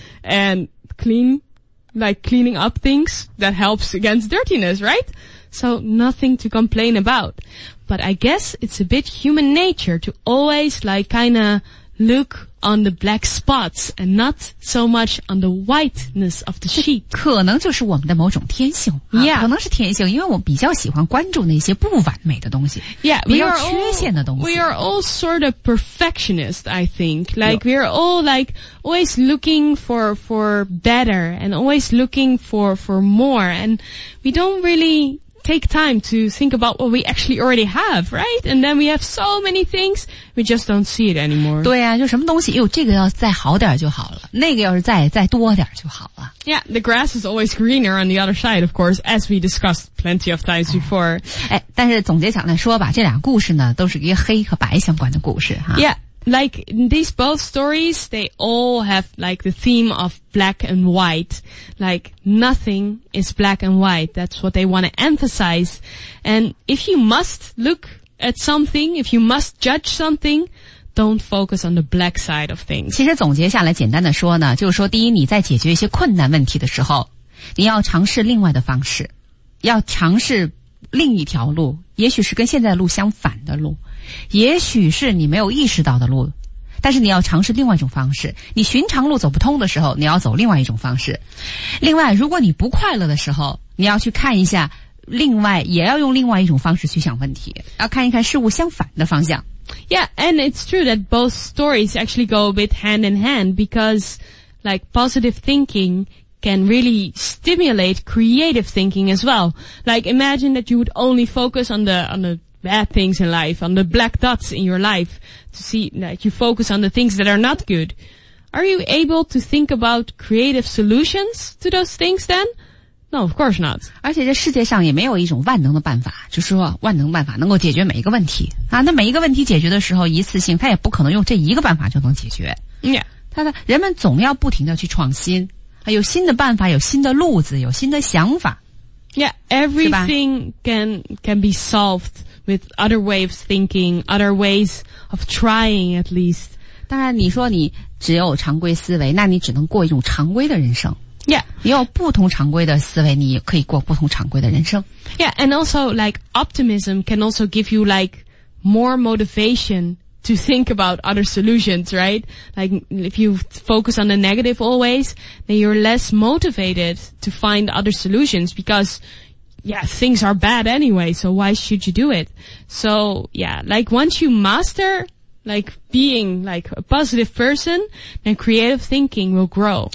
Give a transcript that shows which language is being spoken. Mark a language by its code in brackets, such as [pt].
[en] And cleaning up things that helps against dirtiness, right? So nothing to complain about. But I guess it's a bit human nature to always like kind of look on the black spots and not so much on the whiteness of the sheet. [zh] 可能就是我们的某种天性。 [en] Yeah. [zh] 可能是天性因为我比较喜欢关注那些不完美的东西。 [en] Yeah, [zh] 比较缺陷的东西。 [en] We are all sort of perfectionists, I think. Like, we are all like always looking for better and always looking for more. And we don't really... take time to think about what we actually already have, right? And then we have so many things, we just don't see it anymore. [zh] 对啊,就什么东西,呦,这个要再好点就好了,那个要是再多点就好了。 [en] Yeah, the grass is always greener on the other side, of course, as we discussed plenty of times before. [zh] 哎,但是总结讲来说吧,这两个故事呢,都是一个黑和白相关的故事。 [en] Yeah, like these both stories, they all have like the theme of black and white. Like nothing is black and white. That's what they want to emphasize. And if you must look at something, if you must judge something, don't focus on the black side of things. [zh] 其实总结下来简单的说呢，就是说第一，你在解决一些困难问题的时候，你要尝试另外的方式，要尝试另一条路，也许是跟现在的路相反的路。也许是你没有意识到的路，但是你要尝试另外一种方式。你寻常路走不通的时候，你要走另外一种方式。另外，如果你不快乐的时候，你要去看一下，另外也要用另外一种方式去想问题，要看一看事物相反的方向。 [en] Yeah, and it's true that both stories actually go a bit hand in hand because, like, positive thinking can really stimulate creative thinking as well. Like, imagine that you would only focus on the bad things in life, on the black dots in your life, to see that you focus on the things that are not good. Are you able to think about creative solutions to those things then? No, of course not. [zh] 而且这世界上也没有一种万能的办法，就是说万能办法能够解决每一个问题啊。那每一个问题解决的时候，一次性它也不可能用这一个办法就能解决。 [en] Yeah. [zh] 它的人们总要不停的去创新，有新的办法，有新的路子，有新的想法。 [en] Yeah, everything can be solved. With other ways of thinking, other ways of trying at least. [zh] 当然你说你只有常规思维，那你只能过一种常规的人生。 [en] Yeah. [zh] 你有不同常规的思维，你可以过不同常规的人生。 [en] Yeah, and also like optimism can also give you like more motivation to think about other solutions, right? Like if you focus on the negative always, then you're less motivated to find other solutions because... Yeah, things are bad anyway, so why should you do it? So, yeah, like once you master, like being like a positive person, then creative thinking will grow.